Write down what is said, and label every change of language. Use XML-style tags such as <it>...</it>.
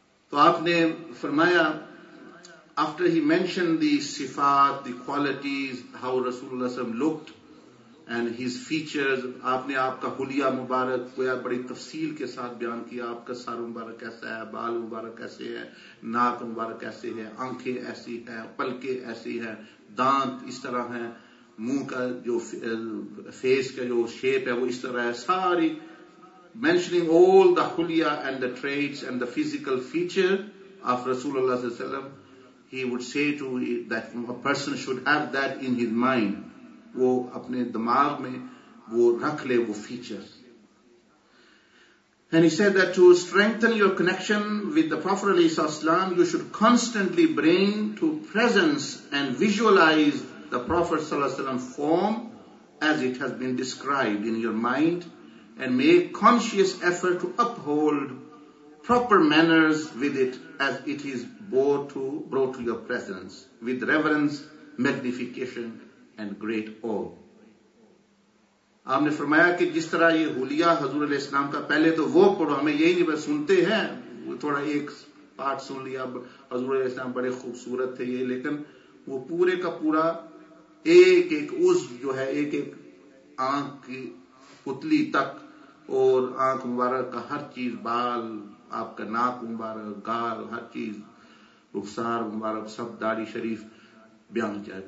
<hi>To aapne farmaya,</hi> <en>after he mentioned the sifat, the qualities, how Rasulullah sallallahu alaihi wasallam looked and his features,</en> <hi>aapne aapka huliya mubarak ko badi tafseel ke sath bayan kiya, aapka sar mubarak kaisa hai, baal mubarak kaise hai, naak mubarak kaise hai, aankhe aisi hai, palke aisi hai, daant is tarah hai, मुंह का जो face का जो shape है वो इस तरह है,</hi> <en>सारी mentioning all the हुलिया and the traits and the physical feature of रसूलुल्लाह सल्लल्लाहु अलैहि वसल्लम. He would say to that a person should have that in his mind,</en> <hi>वो अपने दिमाग में वो रख ले वो features.</hi> <en>And he said that to strengthen your connection with the Prophet sallallahu alaihi wasallam, you should constantly bring to presence and visualize the Prophet sallallahu alaihi wasallam form as it has been described in your mind, and make conscious effort to uphold proper manners with it as it is brought to your presence with reverence, magnification and great awe.</en> <hi>आपने फरमाया कि जिस तरह ये हुलिया हजूर अलैहि सलाम का, पहले तो वो पढ़ो, हमें यही नहीं, बस सुनते हैं थोड़ा एक पार्ट सुन लिया, हजूर अलैहि सलाम बड़े खूबसूरत थे ये, लेकिन वो पूरे का पूरा एक एक उस जो है एक एक आंख की पुतली तक और आंख मुबारक का हर चीज, बाल आपका, नाक मुबारक, गाल, हर चीज, रुखसार मुबारक, सब दाढ़ी शरीफ बयान किया.</hi>